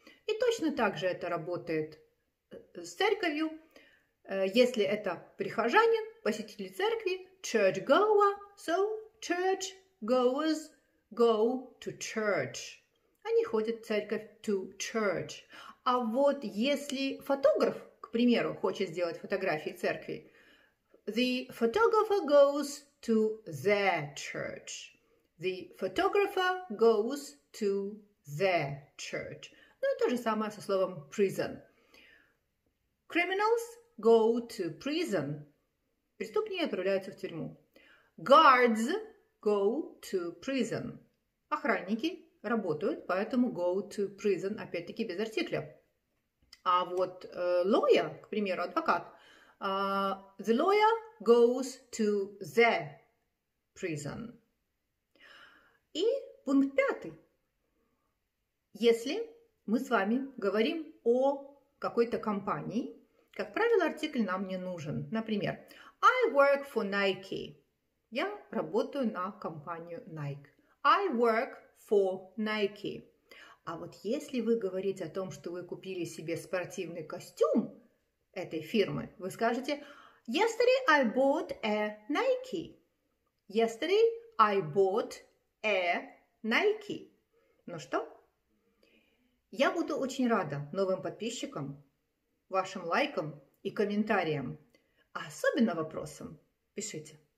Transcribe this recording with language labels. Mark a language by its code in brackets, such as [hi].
[ru] И точно так же это работает с церковью. Если это прихожанин, посетитель церкви, [en] churchgoer, so churchgoers go to church. [ru] Они ходят в церковь to church. А вот если фотограф, к примеру, хочет сделать фотографии церкви, [en] the photographer goes to the church. The photographer goes to the church. [ru] Ну и то же самое со словом prison. [en] Criminals go to prison. [ru] Преступники отправляются в тюрьму. [en] Guards go to prison. [ru] Охранники работают, поэтому [en] go to prison, [ru] опять-таки, без артикля. А вот lawyer, к примеру, адвокат, [en] the lawyer goes to the prison. [ru] И пункт пятый. Если мы с вами говорим о какой-то компании, как правило, артикль нам не нужен. [en] Например, I work for Nike. [ru] Я работаю на компанию Nike. [en] I work for Nike. [ru] А вот если вы говорите о том, что вы купили себе спортивный костюм этой фирмы, вы скажете [en] Yesterday I bought a Nike. Yesterday I bought a Nike. [ru] Ну что? Я буду очень рада новым подписчикам, вашим лайкам и комментариям, а особенно вопросам. Пишите.